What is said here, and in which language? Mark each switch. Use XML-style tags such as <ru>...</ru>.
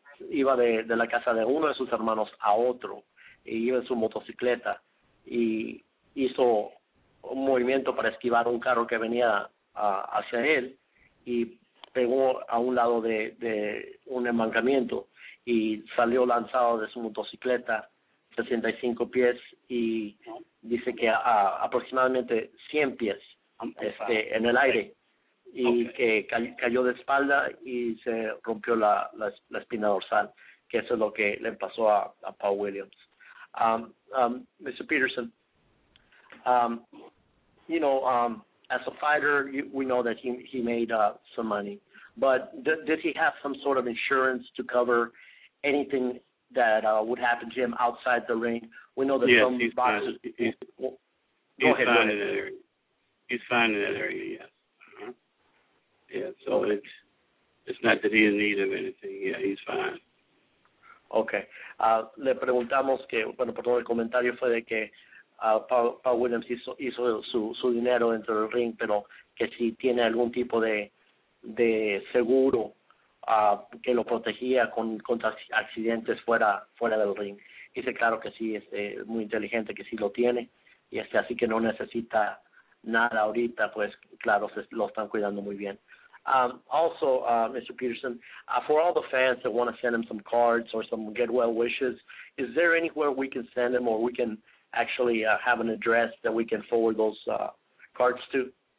<es>Iba de la casa de uno de sus hermanos a otro, y iba en su motocicleta y hizo un movimiento para esquivar un carro que venía hacia él y pegó a un lado de un embancamiento y salió lanzado de su motocicleta 65 pies y dice que a aproximadamente 100 pies en el aire y que cayó de espalda y se rompió la espina dorsal, que eso es lo que le pasó a Paul Williams.</es> <en>Mr. Peterson, you know, as a fighter, we know that he made some money. But did he have some sort of insurance to cover anything that would happen to him outside the ring? We know that he's fine in that area. He's fine in that area, yes. Uh-huh. Yeah, so it's not that he didn't need of anything. Yeah, he's fine. Okay.</en> <es>Le preguntamos que, bueno, por todo el comentario fue de que Paul Williams hizo su dinero dentro del ring, pero que si tiene algún tipo de seguro que lo protegía contra accidentes fuera del ring. Dice claro que sí, es muy inteligente, que sí lo tiene, y así que no necesita nada ahorita, pues claro, lo están cuidando muy bien.</es> <en>Also, Mr. Peterson, for all the fans that want to send him some cards or some get well wishes, is there anywhere we can send him, or we can actually have an address that we can forward those cards to?</en>